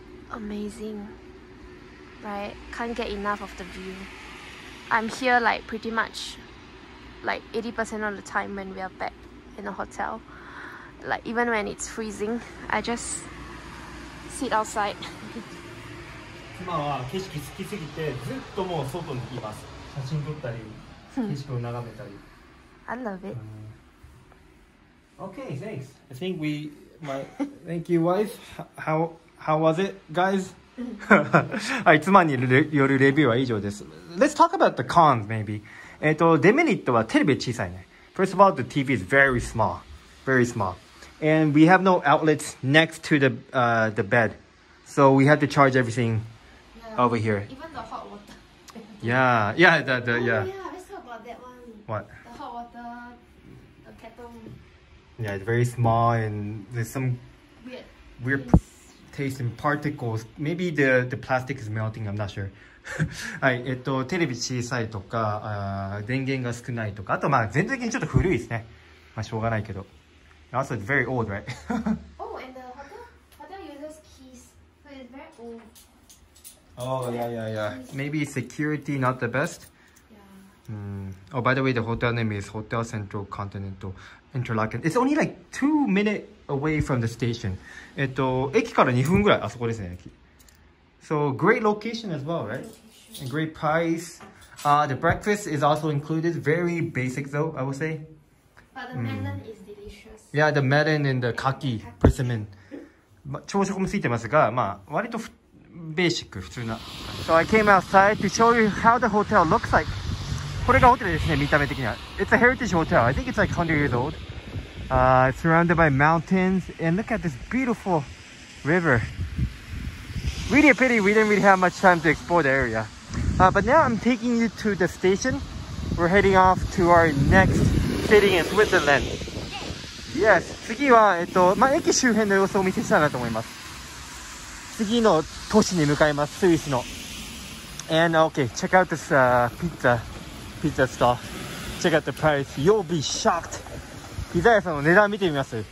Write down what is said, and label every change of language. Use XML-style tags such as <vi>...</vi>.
<en>Amazing. Right, can't get enough of the view. I'm here like pretty much like 80% of the time when we are back in the hotel. Like even when it's freezing, I just sit outside.</en> <ja>今は景色好きすぎてずっともう外にいます。写真撮ったり、景色を眺めたり。</ja> <en>I love it. Okay, thanks. I think we my thank you, wife. How was it, guys?</en> <ja>I つまりによるレビューは以上です。</ja> <en>Let's talk about the cons, maybe.</en> <ja>デメリットはテレビ小さいね。</ja> <en>First of all, the TV is very small, very small. And we have no outlets next to the bed. So we have to charge everything over here. Even the hot water. Yeah. Yeah, let's talk about that one. What? The hot water, the kettle. Yeah, it's very small and there's some weird taste in particles. Maybe the plastic is melting, I'm not sure.</en> <ja>はい、テレビ小さいとか、電源が少ないとか、あとまあ全体的にちょっと古いですね。まあしょうがないけど。</ja> <en>Also, it's very old, right? Oh, and the hotel uses keys, so it's very old. Oh, yeah. Maybe security not the best? Yeah. Oh, by the way, the hotel name is Hotel Central Continental Interlaken. It's only like 2 minutes away from the station.</en> <ja>駅から2分ぐらい、あそこですね、駅。</ja> <en>So great location as well, right? And great price. The breakfast is also included. Very basic though, I would say. But the melon is delicious. Yeah, the melon and the kaki, persimmon.</en> <ja>朝食もついてますが、まあ割とベーシック、普通な。</ja> <en>So I came outside to show you how the hotel looks like.</en> <ja>これがホテルですね、見た目的には。</ja> <en>It's a heritage hotel. I think it's like 100 years old. Surrounded by mountains. And look at this beautiful river. Really a pity we didn't really have much time to explore the area. But now I'm taking you to the station. We're heading off to our next city in Switzerland.</en> <ja>Yes, 次は、まあ、駅周辺の様子をお見せしたいなと思います。次の都市に向かいます、スイスの。</ja> <en>And okay, check out this, pizza stall. Check out the price. You'll be shocked.</en> <ja>ピザ屋さんの値段見てみます。</ja>